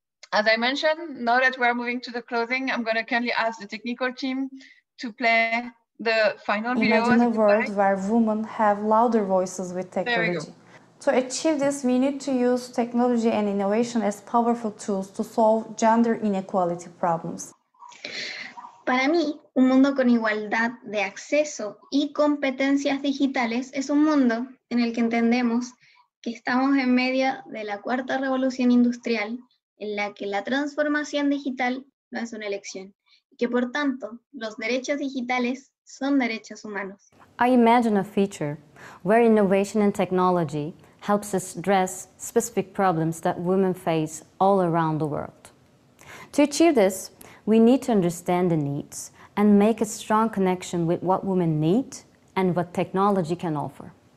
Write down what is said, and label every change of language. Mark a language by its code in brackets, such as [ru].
[en] As I mentioned, now that we're moving to the closing, I'm gonna kindly ask the technical team to play the final video. Imagine a world where women have louder voices with technology. There we go. To achieve this, we need to use technology and innovation as powerful tools to solve gender inequality problems. [es] Para mí, un mundo con igualdad de acceso y competencias digitales es un mundo en el que entendemos que estamos en medio de la cuarta revolución industrial, en la que la transformación digital no es una elección, y que por tanto, los derechos digitales son derechos humanos. [en] I imagine a future where innovation and technology helps us address specific problems that women face all around the world. To achieve this, we need to understand the needs and make a strong connection with what women need and what technology can offer.